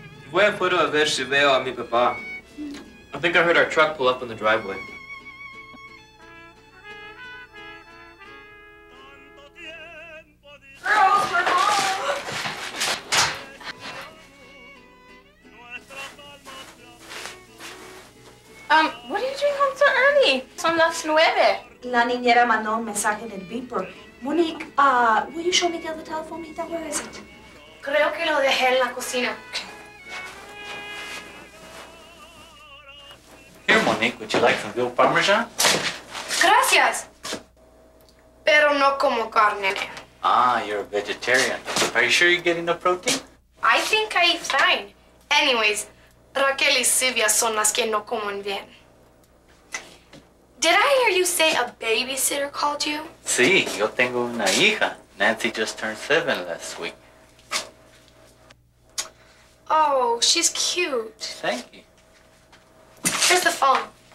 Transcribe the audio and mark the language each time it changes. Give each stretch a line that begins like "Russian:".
Spanish: Voy afuera a ver si veo a mi papá.
English: I think I heard our truck pull up in the driveway. What are you doing home so early?
Spanish: Son las nueve. La niñera mandó un mensaje en el beeper.
English: Monique, will you show Miguel the telephone, Mita? Where is it?
Spanish: Creo que lo dejé en la cocina.
English: Here, Monique, would you like some grilled parmesan?
Spanish: Gracias. Pero no como carne.
English: Ah, you're a vegetarian. Are you sure you're getting the protein? I think I eat fine.
Spanish: Anyways, Raquel y Silvia son las que no comen bien.
English: Did I hear you say a babysitter called you?
Spanish: Sí, yo tengo una hija.
English: Nancy just turned 7 last week. Oh, she's cute. Thank you. Here's the phone.